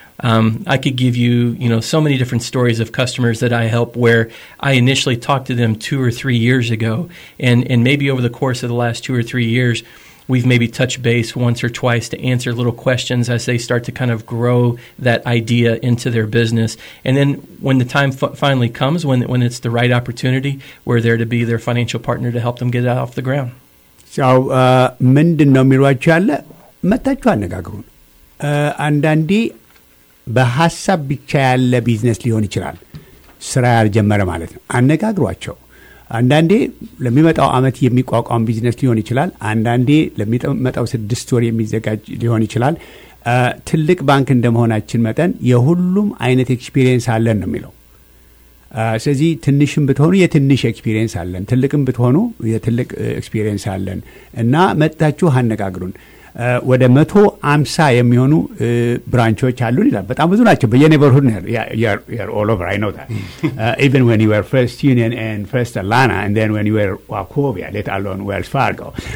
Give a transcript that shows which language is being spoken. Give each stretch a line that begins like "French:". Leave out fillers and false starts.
English: I could give you, you know, so many different stories of customers that I help where I initially talked to them 2 or 3 years ago, and maybe over the course of the last 2 or 3 years, we've maybe touched base once or twice to answer little questions as they start to kind of grow that idea into their business. And then when the time finally comes, when it's the right opportunity, we're there to be their financial partner to help them get it off the ground.
Amharic: So, ምንድን ነው የሚሏቸው? መታችሁ አነጋግሩን። አንዳንዲ በሐሳብ ብቻ ያለ business ሊሆን ይችላል። ስራ ያልጀመረ ማለት ነው። አነጋግሯቸው። አንዳንዴ ለሚመጣው አመት የሚቋቋም business ሊሆን ይችላል። አንዳንዴ ለሚመጣው 6 ወር የሚዘጋጅ ሊሆን ይችላል። ትልቅ ባንክ እንደመሆናችን መጠን የሁሉም አይነት experience አለን ነው የሚለው። ስለዚህ ትንሽም ብትሆኑ የትንሽ experience አለን፣ ትልቅም ብትሆኑ የትልቅ experience አለን። እና መጣችሁ አነጋግሩን። ወደ 150 የሚሆኑ ብራንቾች አሉ ይላል። በጣም ብዙ ናቸው በየኔበርሁድ ነው።
English: you are all over, I know that. Even when you were First Union and First Atlanta, and then when you were Wachovia, let alone Wells Fargo.